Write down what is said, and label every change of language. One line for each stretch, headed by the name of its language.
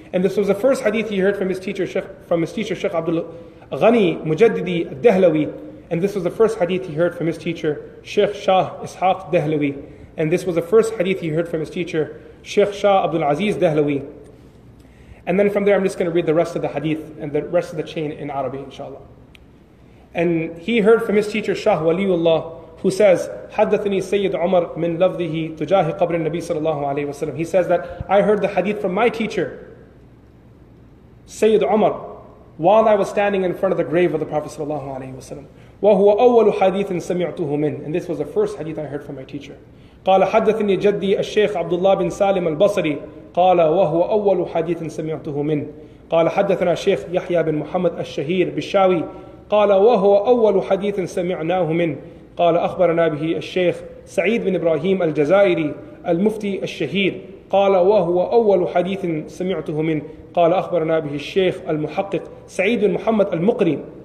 English: And this was the first hadith he heard from his teacher, Sheikh Abdul Ghani Mujaddidi Dehlawi. And this was the first hadith he heard from his teacher, Sheikh Shah Ishaq Dehlawi. And this was the first hadith he heard from his teacher, Sheikh Shah Abdul Aziz Dehlawi. And then from there, I'm just going to read the rest of the hadith and the rest of the chain in Arabic, inshallah. And he heard from his teacher, Shah Waliullah, who says,
Arabic: حَدَّثَنِي سَيِّدْ عُمَرْ مِنْ لَفْظِهِ تُجَاهِ قَبْرِ النَّبِي صلى الله عليه وسلم.
English: He says that, I heard the hadith from my teacher, Sayyid Umar, while I was standing in front of the grave of the Prophet sallallahu alayhi wa sallam.
Arabic: وَهُوَ أَوَّلُ حَدِيثٍ سَمِعْتُهُ مِنْ.
English: And this was the first hadith I heard from my teacher.
Arabic: قال حدثني جدي الشيخ عبد الله بن سالم البصري قال وهو أول حديث سمعته منه قال حدثنا الشيخ يحيى بن محمد الشهير بالشاوي قال وهو أول حديث سمعناه منه قال أخبرنا به الشيخ سعيد بن إبراهيم الجزائري المفتي الشهير قال وهو أول حديث سمعته منه قال أخبرنا به الشيخ المحقق سعيد بن محمد المقري